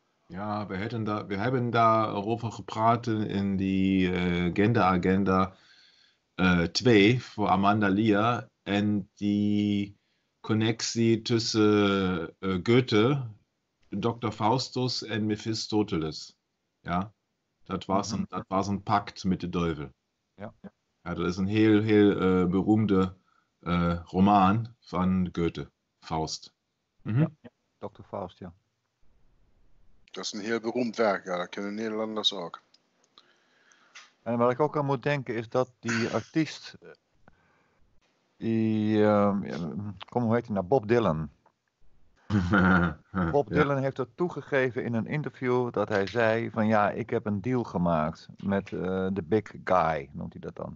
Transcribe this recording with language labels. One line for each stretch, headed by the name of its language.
Dutch: Ja, we hebben daarover gepraat in die Gender Agenda 2 voor Amanda Lear en die connectie tussen Goethe, Dr. Faustus en Mephistopheles.
German: Ja, dat was ein Pakt mit dem Teufel.
Dutch: Ja.
German: Ja, das ist ein heel berühmter Roman von Goethe, Faust.
Dutch: Ja, Dr. Faust, ja.
German: Das ist ein heel berühmtes Werk, ja, das kennen Nederlanders auch.
Dutch: En wat ik ook aan moet denken is dat die artiest, die, hoe heet hij nou, Bob Dylan. Bob Dylan heeft dat toegegeven in een interview dat hij zei van ja, ik heb een deal gemaakt met de
English: big guy,
Dutch: noemt hij dat dan.